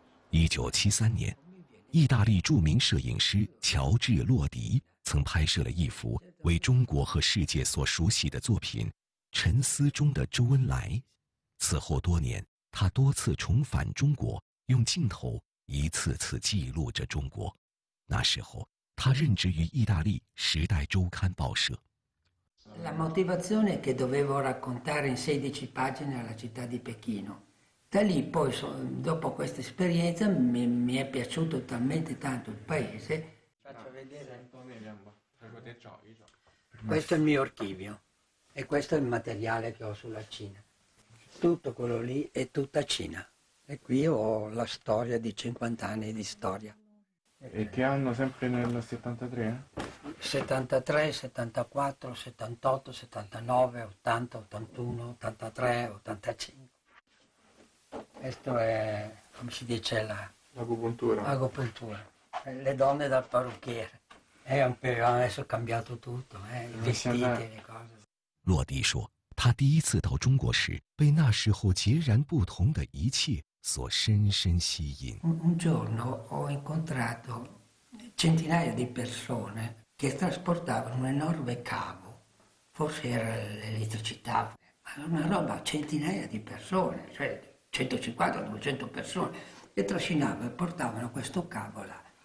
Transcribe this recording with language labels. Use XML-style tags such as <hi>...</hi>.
<zh>1973年，意大利著名摄影师乔治·洛迪曾拍摄了一幅为中国和世界所熟悉的作品《沉思中的周恩来》。此后多年，他多次重返中国，用镜头一次次记录着中国。那时候，他任职于意大利《时代周刊》报社。</zh> <it>La motivazione che dovevo raccontare in 16 pagine alla città di Pechino. Da lì poi, dopo questa esperienza, mi è piaciuto talmente tanto il paese. Faccio vedere. Questo è il mio archivio e questo è il materiale che ho sulla Cina. Tutto quello lì è tutta Cina. E qui ho la storia di 50 anni di storia. E che anno sempre nel 73? 73, 74, 78, 79, 80, 81, 83, 85. Questo è, come si dice, l'agopuntura. Le donne dal parrucchiere. È un periodo, adesso è cambiato tutto, i vestiti, le cose.</it> <zh>洛迪说，他第一次到中国时，被那时候截然不同的一切所深深吸引。</zh> <it>Un giorno ho incontrato centinaia di persone che trasportavano un enorme cavo, forse era l'elettricità, ma una roba, centinaia di persone, cioè. 150-200 persone e trascinavano e portavano questo cavo là.</it>